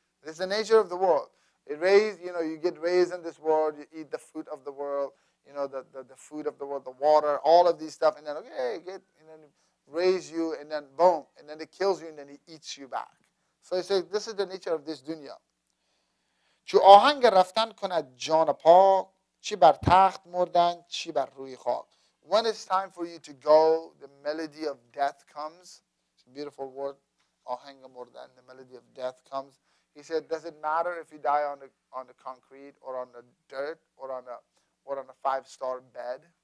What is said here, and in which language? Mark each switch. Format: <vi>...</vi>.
<en>This is the nature of the world. It raised, you know, you get raised in this world, you eat the fruit of the world, you know, the food of the world, the water, all of these stuff, and then okay, get and then raise you and then boom, and then it kills you and then it eats you back. So he said, this is the nature of this dunya.</en> <fa>چو آهنگ رفتن کند جان پاک چی بر تخت مردن چی بر روی خاک.</fa> <en>When it's time for you to go, the melody of death comes. It's a beautiful word.</en> <fa>آهنگ مردن,</fa> <en>the melody of death comes. He said, does it matter if you die on the concrete or on the dirt or on a five-star bed?</en>